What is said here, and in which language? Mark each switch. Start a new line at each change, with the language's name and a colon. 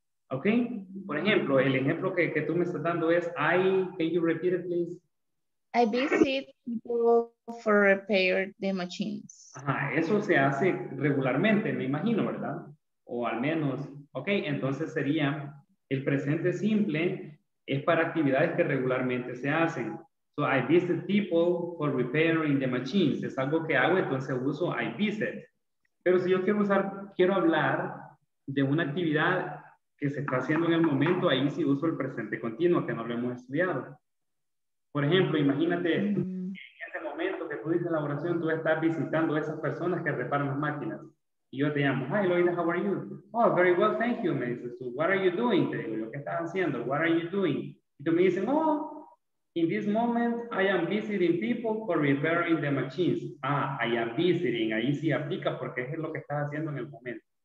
Spanish: Ok, por ejemplo, el ejemplo que tú me estás dando es,
English: can you repeat it, please? I visit people for repair the machines.
Spanish: Ajá, eso se hace regularmente, me imagino, ¿verdad? O al menos, ok, entonces sería, el presente simple es para actividades que regularmente se hacen.
English: So I visit people for repairing the machines.
Spanish: Es algo que hago, entonces uso I visit. Pero si yo quiero hablar de una actividad que se está haciendo en el momento, ahí sí uso el presente continuo, que no lo hemos estudiado. Por ejemplo, imagínate, en este momento que tú dices la oración, tú estás visitando a esas personas que reparan las máquinas. Y yo te llamo,
English: hi, Loida, how are you? Oh, very well, thank you.
Spanish: Me dices tú,
English: what are you doing?
Spanish: Te digo, ¿qué estás haciendo?
English: What are you doing?
Spanish: Y tú me dices,
English: oh, in this moment, I am visiting people for repairing the machines. Ah, I am visiting.
Spanish: Ahí sí aplica porque es lo que estás haciendo en el momento.